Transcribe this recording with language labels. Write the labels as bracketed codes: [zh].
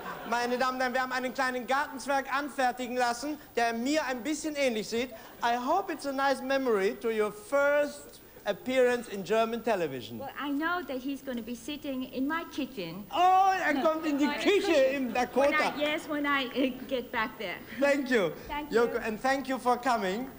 [de] Meine Damen und Herren, wir haben einen kleinen Gartenzwerg anfertigen lassen, der mir ein bisschen ähnlich sieht. [en] I hope it's a nice memory to your first appearance in German television. Well, I know that he's going to be sitting in my kitchen. [de] Oh, er kommt in die Küche in Dakota. [en] Yes, when I get back there. Thank you. Thank you. And thank you for coming.